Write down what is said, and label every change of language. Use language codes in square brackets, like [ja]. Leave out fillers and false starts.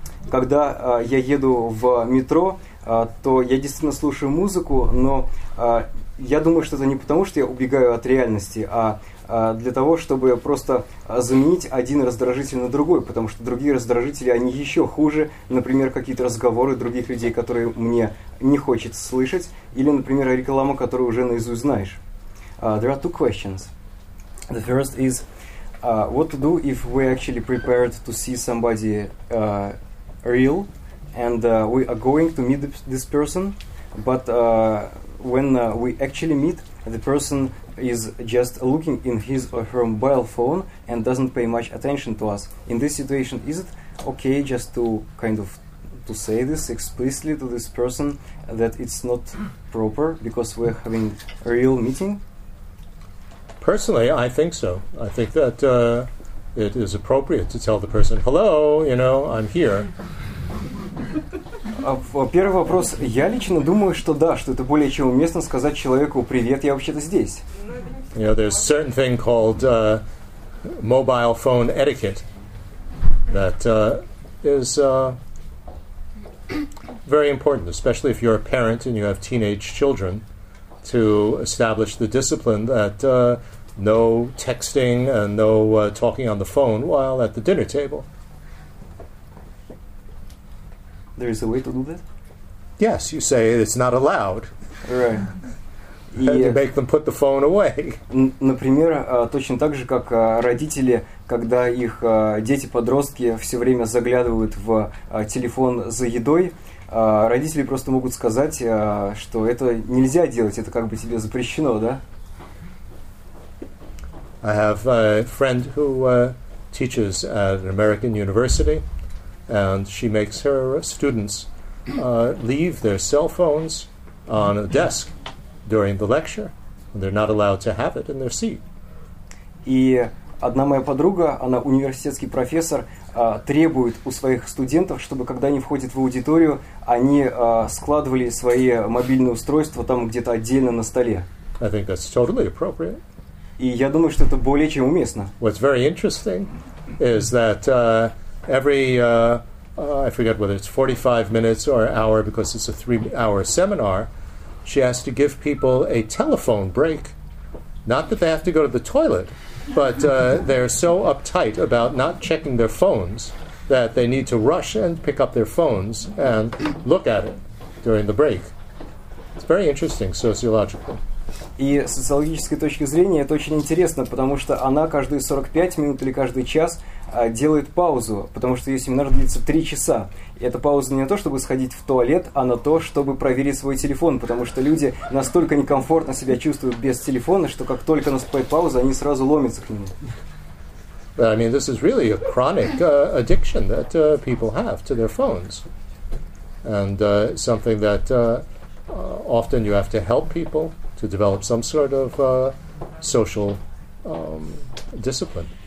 [ru] Когда я еду в метро, то я действительно слушаю музыку, но я думаю, что это не потому, что я убегаю от реальности, а для того, чтобы просто заменить один раздражитель на другой, потому что другие раздражители, они еще хуже, например, какие-то разговоры других людей, которые мне не хочется слышать, или, например, реклама, которую уже наизусть знаешь. [en] There are two questions. The first is, what to do if we actually prepared to see somebody real, and we are going to meet this person, but when we actually meet, the person is just looking in his or her mobile phone and doesn't pay much attention to us. In this situation, is it okay just to kind of to say this explicitly to this person that it's not proper because we're having a real meeting? Personally, I think so. I think that it is appropriate to tell the person, hello, you know, I'm here. [ru] Первый вопрос. Я лично думаю, что да, что это более чем уместно сказать человеку «Привет, я вообще-то здесь». [en] You know, there's a certain thing called mobile phone etiquette that is very important, especially if you're a parent and you have teenage children, to establish the discipline that no texting and no talking on the phone while at the dinner table. There is a way to do that? Yes, you say it's not allowed. Right. And you make them put the phone away. [ru] Например, точно так же, как родители, когда их дети-подростки все время заглядывают в телефон за едой, родители просто могут сказать, что это нельзя делать, это как бы тебе запрещено, да? [en] I have a friend who teaches at an American university. And she makes her students leave their cell phones on a desk during the lecture. And they're not allowed to have it in their seat. [ru] И одна моя подруга, она университетский профессор, требует у своих студентов, чтобы когда они входят в аудиторию, они складывали свои мобильные устройства там где-то отдельно на столе. [en] I think that's totally appropriate. [ru] И я думаю, что это более чем уместно. [en] What's very interesting is that every, I forget whether it's 45 minutes or an hour, because it's a 3-hour seminar, she has to give people a telephone break. Not that they have to go to the toilet, but they're so uptight about not checking their phones that they need to rush and pick up their phones and look at it during the break. It's very interesting sociologically. [ru] И с социологической точки зрения это очень интересно, потому что она каждые 45 минут или каждый час делает паузу, потому что ее семинар длится 3 часа. И эта пауза не на то, чтобы сходить в туалет, а на то, чтобы проверить свой телефон, потому что люди настолько некомфортно себя чувствуют без телефона, что как только наступает пауза, они сразу ломятся к нему. [en] I mean, this is really a chronic addiction that people have to their phones. And something that often you have to help people to develop some sort of social discipline.